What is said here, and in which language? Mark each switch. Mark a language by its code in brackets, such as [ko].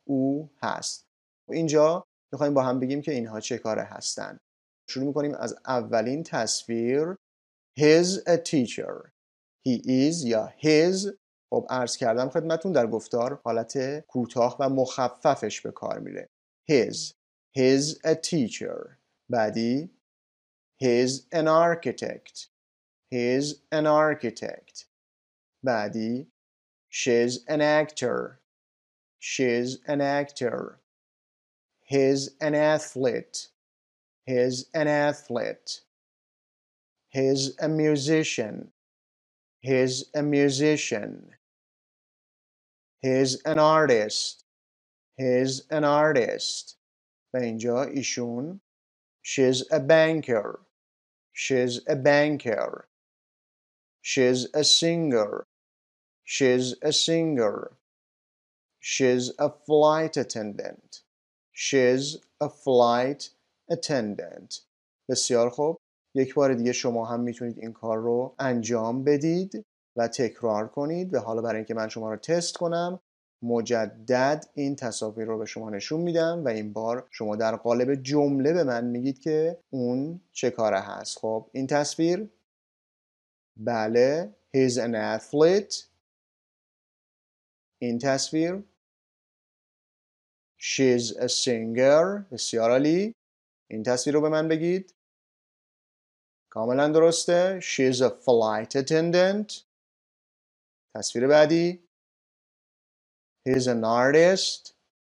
[fa] او هست. اینجا می‌خوایم با هم بگیم که اینها چه کاره هستن. شروع می‌کنیم از اولین تصویر. [en] He's a teacher. He is [fa] یا [en] his [fa] خب عرض کردم خدمتون در گفتار حالت کوتاه و مخففش به کار میره. [en] His a teacher. [fa] بعدی [en] His an architect. He's an architect. بعدی She's an actor. She's an actor. He's an athlete. He's an athlete. He's a musician. He's a musician. He's an artist. He's an artist. [fa] و اینجا ایشون [en] She's a banker. She's a banker. She's a singer. She's a singer. She's a flight attendant. She's a flight attendant. [fa] بسیار خوب. یک بار دیگه شما هم میتونید این کار رو انجام بدید و تکرار کنید و حالا برای اینکه من شما رو تست کنم مجدد این تصاویر رو به شما نشون میدم و این بار شما در قالب جمله به من میگید که اون چه کاره هست. خب این تصویر بله [en] He's an athlete. [fa] این تصویر [en] She's a singer. [fa] بسیار عالی. این تصویر رو به من بگید. کاملا درسته. [en] She's a flight attendant. [fa] تصویر بعدی [en] He's an artist.